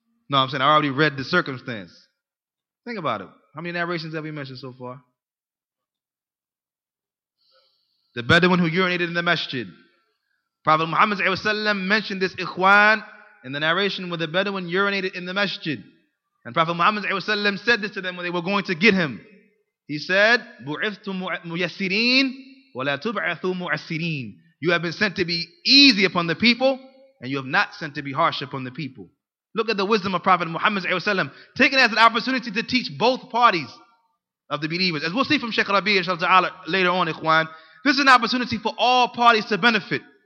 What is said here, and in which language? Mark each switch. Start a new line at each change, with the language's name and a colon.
English: No, I'm saying I already read the circumstance. Think about it. How many narrations have we mentioned so far? The Bedouin who urinated in the masjid. Prophet Muhammad ﷺ mentioned this ikhwan in the narration where the Bedouin urinated in the masjid. And Prophet Muhammad ﷺ said this to them when they were going to get him. He said,
Arabic: بُعِثْتُ مُيَسِّرِينَ وَلَا تُبْعَثُوا مُعَسِّرِينَ.
English: You have been sent to be easy upon the people and you have not sent to be harsh upon the people. Look at the wisdom of Prophet Muhammad ﷺ, taken as an opportunity to teach both parties of the believers. As we'll see from Shaykh Rabi inshallah ta'ala later on, ikhwan, this is an opportunity for all parties to benefit.